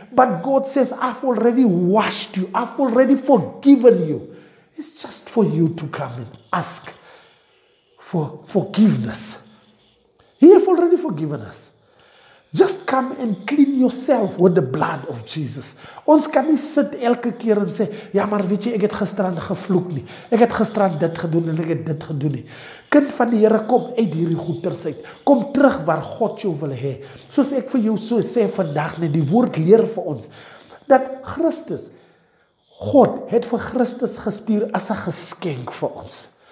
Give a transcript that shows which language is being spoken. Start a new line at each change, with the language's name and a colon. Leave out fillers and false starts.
English: But God says, I've already washed you. I've already forgiven you. It's just for you to come and ask for forgiveness. He has already forgiven us. Just come and clean yourself with the blood of Jesus.
Afrikaans: Ons kan nie sit elke keer en sê, ja, maar weet jy, ek het gisterand gevloek nie. Ek het gisterand dit gedoen en ek het dit gedoen nie. Kind van die Here, kom uit hierdie goeters uit. Kom terug waar God jou wil hê. Soos ek vir jou so sê vandag, net die woord leer vir ons, dat Christus, God het vir Christus gestuur as 'n geskenk vir ons.